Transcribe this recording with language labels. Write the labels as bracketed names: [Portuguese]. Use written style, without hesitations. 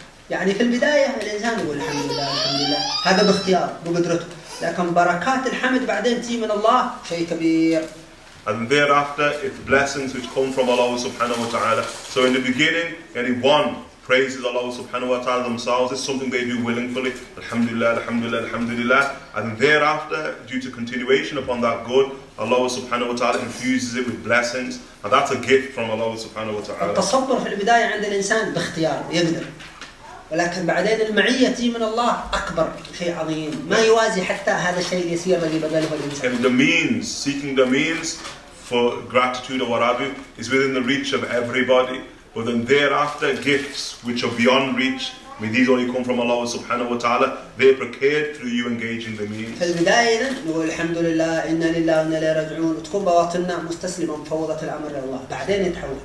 [Arabic] يعني في البداية الإنسان يقول الحمد لله الحمد لله هذا باختيار بقدرته لكن بركات الحمد بعدين تجي من الله شيء كبير. [English] And thereafter it's blessings which come from Allah subhanahu wa ta'ala. So in the beginning anyone praises Allah subhanahu wa ta'ala themselves is something they do willingly. [Arabic] Alhamdulillah, alhamdulillah, alhamdulillah. [English] And thereafter, due to continuation upon that good, Allah subhanahu wa ta'ala infuses it with blessings. And that's a gift from Allah subhanahu wa ta'ala. [Arabic] التصبر في البداية عند الإنسان باختيار يقدر. ولكن بعدين المعية تجي من الله أكبر شيء عظيم ما يوازي حتى هذا الشيء اليسير الذي بذله الإنسان. [English] And the means, seeking the means for gratitude or what have you, is within the reach of everybody. But then thereafter, gifts which are beyond reach, may these only come from Allah subhanahu wa ta'ala, they are procured through you engaging the means. [Arabic] في البداية نقول الحمد لله إنا لله وإنا إليه راجعون وتكون بواطننا مستسلمة مفوضة الأمر لله بعدين يتحول.